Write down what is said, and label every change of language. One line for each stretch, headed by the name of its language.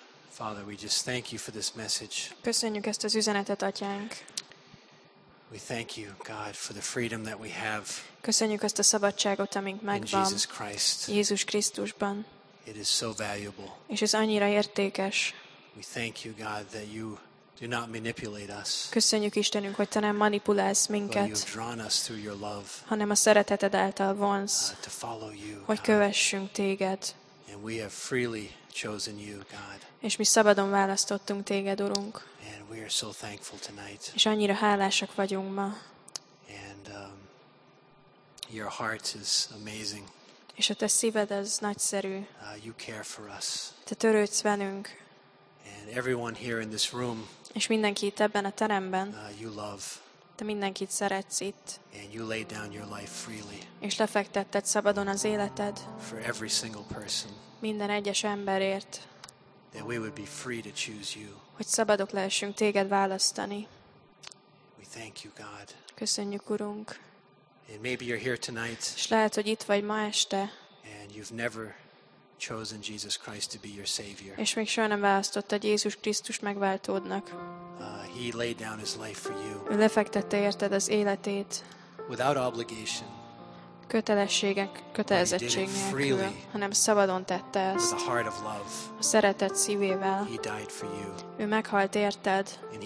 English: Father, we just thank you for this message.
Hungarian: Köszönjük ezt az üzenetet, atyánk.
English: We thank you, God, for the freedom that we have.
Hungarian: Köszönjük ezt a szabadságot, amink megvan.
English: Jesus Christ.
Hungarian: Jézus Krisztusban.
English: It is so valuable.
Hungarian: És ez annyira értékes.
English: We thank you, God, that you do not manipulate us.
Hungarian: Köszönjük Istenünk, hogy te nem manipulálsz minket.
English: You have drawn us through your love.
Hungarian: Hanem a szereteted által vonz.
English: To follow you.
Hungarian: Hogy kövessünk téged.
English: And we have freely chosen you, God.
Hungarian: És mi szabadon választottunk téged, Urunk.
English: And we are so thankful tonight.
Hungarian: És annyira hálásak vagyunk ma.
English: And your heart is amazing.
Hungarian: És a te szíved az nagyszerű.
English: You care for us.
Hungarian: Te törődsz velünk.
English: And everyone here in this room.
Hungarian: És mindenki itt ebben a teremben.
English: You love.
Hungarian: Te mindenkit szeretsz itt.
English: And you laid down your life freely.
Hungarian: És lefektetted szabadon az életed.
English: For every single person.
Hungarian: Minden egyes emberért.
English: That we would be free to choose you.
Hungarian: Hogy szabadok lehessünk téged választani.
English: We thank you, God.
Hungarian: Köszönjük, Urunk.
English: And maybe you're here tonight.
Hungarian: És lehet, hogy itt vagy ma este.
English: And you've never chosen Jesus Christ to be your savior.
Hungarian: És még soha nem választottad Jézus Krisztust megváltódnak.
English: He laid down his life for you.
Hungarian: Ő lefektette érted az életét.
English: Without obligation.
Hungarian: Kötelezettség nélkül, hanem szabadon tette ezt. A szeretet szívével. Ő meghalt érted.